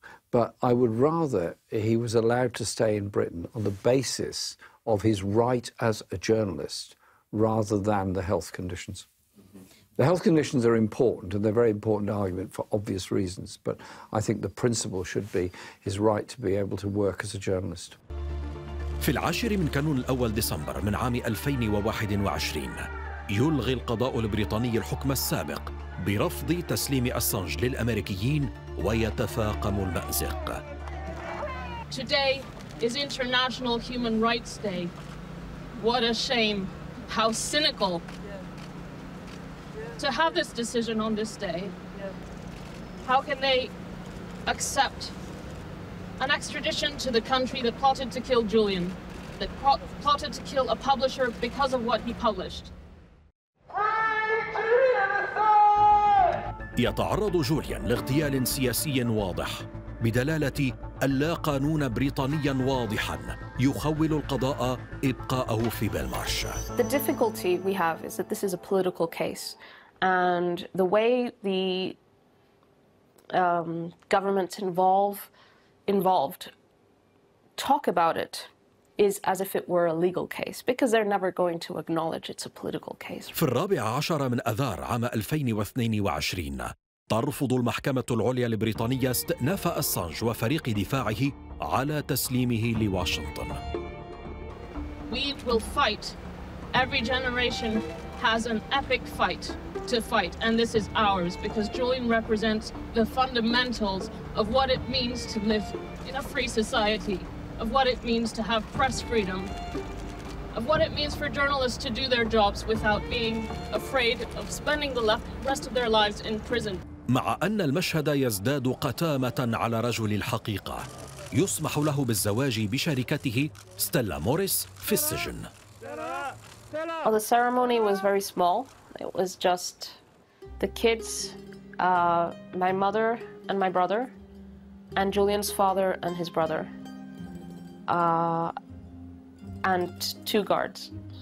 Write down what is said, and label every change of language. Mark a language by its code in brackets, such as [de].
[en] But I would rather he was allowed to stay in Britain on the basis of his right as a journalist rather than the health conditions. The health conditions are important, and they're a very important argument for obvious reasons, but I think the principle should be his right to be able to work as a journalist. [ar] في العاشر من كانون الأول ديسمبر من عام 2021 يلغي القضاء البريطاني الحكم السابق برفض تسليم أسانج للأمريكيين ويتفاقم المأزق. [en] Today is International Human Rights Day. What a shame. How cynical. To have this decision on this day. How can they accept an extradition to the country that plotted to kill Julian, that plotted to kill a publisher because of what he published? [ar] يتعرض جوليان لاغتيال سياسي واضح بدلالة اللا قانون بريطانيا واضحا يخول القضاء إبقاءه في بلمارش. [en] The difficulty we have is that this is a political case, and the way the governments involved talk about it is as if it were a legal case, because they're never going to acknowledge it's a political case. [ar] في الرابع عشر من أذار عام 2022 ترفض المحكمة العليا البريطانية استئناف أسانج وفريق دفاعه على تسليمه لواشنطن. [en] We will fight. Every generation has an epic fight to fight, and this is ours, because Julian represents the fundamentals of what it means to live in a free society, of what it means to have press freedom, of what it means for journalists to do their jobs without being afraid of spending the rest of their lives in prison. [ar] مع أن المشهد يزداد قتامة على رجل الحقيقة، يسمح له بالزواج بشركته ستيلا موريس في السجن. [en] Well, the ceremony was very small. It was just the kids, my mother and my brother, and Julian's father and his brother, and two guards.